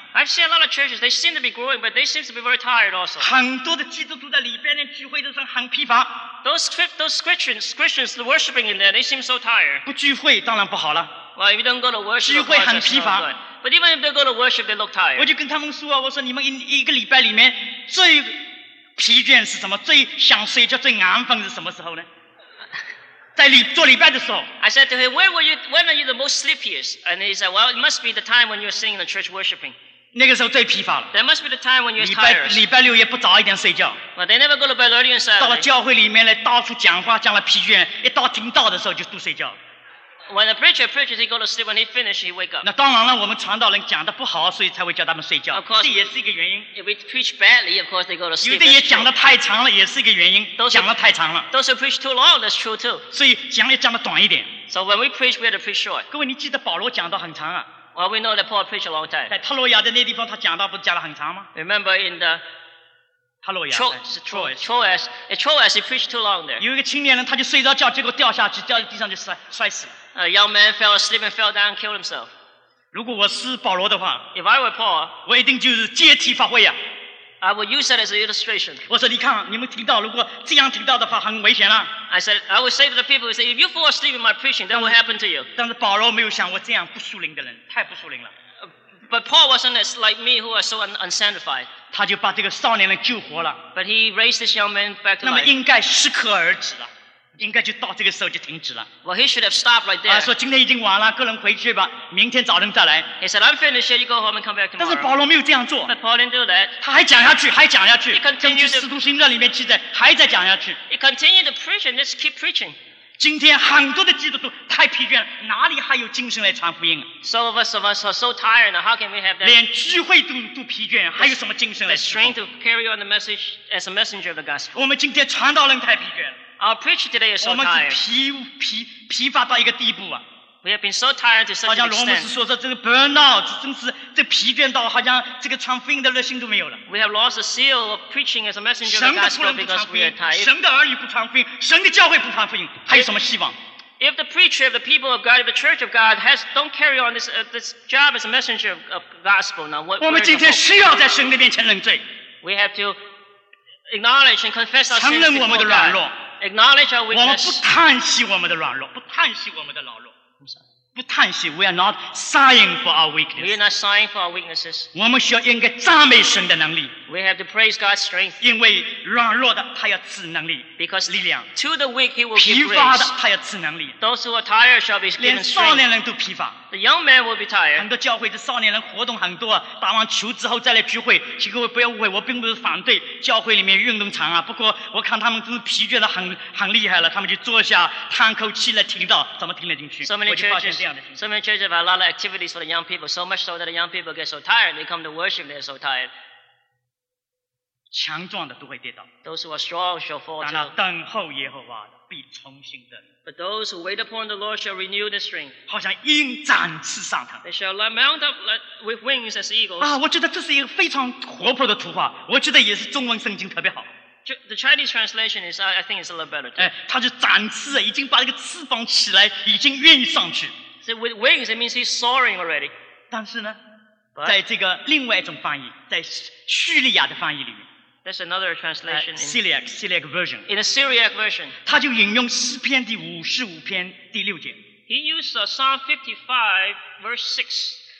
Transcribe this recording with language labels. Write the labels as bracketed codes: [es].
[en] I've seen a lot of churches. They seem to be growing, but they seem to be very tired also. [zh] 很多的基督徒在里边的聚会都是很疲乏。 [en] Those Christians, the worshiping in there, they seem so tired. [zh] 不聚会当然不好了。 [en] Well, if you don't go to worship, [zh] 聚会很疲乏。 [en] But even if they go to worship, they look tired. [zh] 我就跟他们说啊，我说你们一个礼拜里面最疲倦是什么？最想睡觉、最安分是什么时候呢？在做礼拜的时候。 [en] I said to him, when are you the most sleepiest? And he said, well, it must be the time when you're singing the church worshiping. [zh] 那个时候最疲乏了。 [en] There must be the time when you're tired. [zh] 礼拜六也不早一点睡觉。 [en] Well, they never go to bed early on Saturday. [zh] 到了教会里面来，到处讲话，讲了疲倦，一到听道的时候就都睡觉。 [en] When the preacher preaches, he goes to sleep. When he finishes, he wakes up. [zh] 那当然了，我们传道人讲的不好，所以才会叫他们睡觉。 [en] Of course, [zh] 这也是一个原因。 [en] If we preach badly, of course they go to sleep. [zh] 有的也讲的太长了，也是一个原因。讲的太长了。 [en] Those who preach too long, that's true too. [zh] 所以讲也讲的短一点。 [en] So when we preach, we have to preach short. [zh] 各位，你记得保罗讲到很长啊。 [en] Well, we know that Paul preached a long time. [zh] 在特洛亚的那地方，他讲到不是讲了很长吗 [en] ？Remember in the Troas. Troas, he preached too long there. [zh] 有一个青年人，他就睡着觉，结果掉下去，掉在地上就摔死了。 [en] A young man fell asleep and fell down and killed himself. [zh] 如果我是保罗的话， [en] If I were Paul, [zh] 我一定就是借题发挥啊。 [en] I would use that as an illustration. [zh] 我说你看，你们听到，如果这样听到的话，很危险啊。 [en] I said, I would say to the people, if you fall asleep in my preaching, that will happen to you. [zh] 但是保罗没有想我这样不属灵的人，太不属灵了。 [en] But Paul wasn't as like me who are so unsanctified. [zh] 他就把这个少年人救活了。 [en] But he raised this young man back to life. [zh] 那么应该适可而止了。应该就到这个时候就停止了。 [en] Well, he should have stopped right there. 说今天已经晚了，个人回去吧，明天早晨再来。 He said, I'm finished. You go home and come back tomorrow. [zh] 但是保罗没有这样做。 [en] But Paul didn't do that. [zh] 他还讲下去，还讲下去。 [en] He continued. [zh] 根据《使徒行传》里面记载，还在讲下去。 [en] He continued to preach and just keep preaching. [zh] 今天很多的基督徒太疲倦了，哪里还有精神来传福音 [en] ？Some of us are so tired. How can we have that? [zh] 连聚会都疲倦，还有什么精神来 [en] ？The strength to carry on the message as a messenger of the gospel. [zh] 我们今天传道人太疲倦了。 [en] Our preacher today is so tired. [zh] 我们是疲乏到一个地步啊。 [en] We have been so tired to such an extent. [zh] 好像罗姆斯说这个 burnout， 真是这疲倦到好像这个传福音的热心都没有了。 [en] We have lost the zeal of preaching as a messenger of the gospel because we are tired. [zh] 神的儿女不传福音，神的教会不传福音，还有什么希望？ [en] If the preacher, if the people of God, if the church of God has don't carry on this this job as a messenger of gospel, now what? [zh] 我们今天需要在神的面前认罪。 [en] We have to acknowledge and confess our sins before God. [zh] 承认我们的软弱。 [en] Acknowledge our weakness. [zh] 我们不叹息我们的软弱，不叹息我们的软弱。不叹息。 [en] We are not sighing for our weakness. We are not sighing for our weaknesses. [zh] 我们需要应该赞美神的能力。 [en] We have to praise God's strength. [zh] 因为软弱的他要赐能力。 [en] Because [zh] 力量。 [en] To the weak he will give grace. [zh] 疲乏的他要赐能力。 [en] Those who are tired shall be given strength. [zh] 连少年人都疲乏。 [en] The young man will be tired. [zh] 很多教会的少年人活动很多，打完球之后再来聚会。请各位不要误会，我并不是反对教会里面运动场啊。不过我看他们真是疲倦的很厉害了，他们就坐下叹口气来听到，怎么听得进去？我就发现这样的。 [en] So many churches have a lot of activities for the young people. So much so that the young people get so tired. They come to worship. They're so tired. [zh] 强壮的都会跌倒。 [en] Those who are strong shall fall. [zh] 但那等候耶和华的必重新得力。 [en] But those who wait upon the Lord shall renew their strength. [zh] 好像鹰展翅上腾。 [en] They shall mount up with wings as eagles. [zh] 啊，我觉得这是一个非常活泼的图画。我觉得也是中文圣经特别好。 [en] The Chinese translation is, I think, it's a little better. [zh] 哎，他就展翅，已经把那个翅膀起来，已经愿意上去。 [en] So with wings, it means he's soaring already. [zh] 但是呢， But, 在这个另外一种翻译，在叙利亚的翻译里面 [en] ，That's another translation. Syriac version. In a Syriac version, [zh] 他就引用诗篇第55篇第六节。 [en] He used Psalm 55 verse 6.